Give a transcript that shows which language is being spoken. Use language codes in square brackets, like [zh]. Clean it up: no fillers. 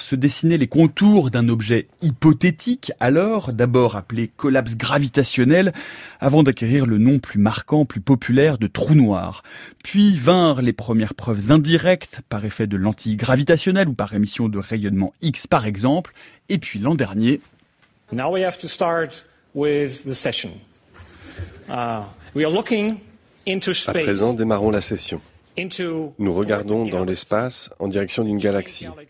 [fr] Se dessinaient les contours d'un objet hypothétique, alors d'abord appelé collapse gravitationnel, avant d'acquérir le nom plus marquant, plus populaire de trou noir. Puis vinrent les premières preuves indirectes, par effet de lentilles gravitationnelles ou par émission de rayonnement X par exemple, et puis l'an dernier. [en] Now we have to start with the session. We are looking into space. [fr] À présent, démarrons la session. Nous regardons dans l'espace en direction d'une galaxie.